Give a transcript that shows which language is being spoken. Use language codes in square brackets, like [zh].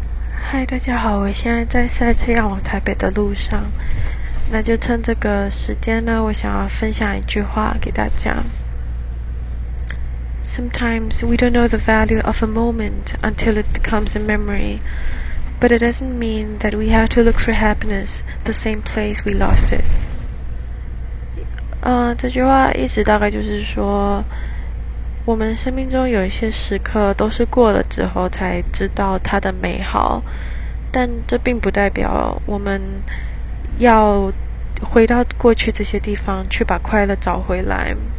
[zh] 嗨，大家好，我现在在塞车要往台北的路上，那就趁这个时间呢，我想要分享一句话给大家。 [en] Sometimes we don't know the value of a moment until it becomes a memory, but it doesn't mean that we have to look for happiness the same place we lost it. [zh] 这句话意思大概就是说，我们生命中有一些时刻都是过了之后才知道它的美好，但这并不代表我们要回到过去这些地方去把快乐找回来。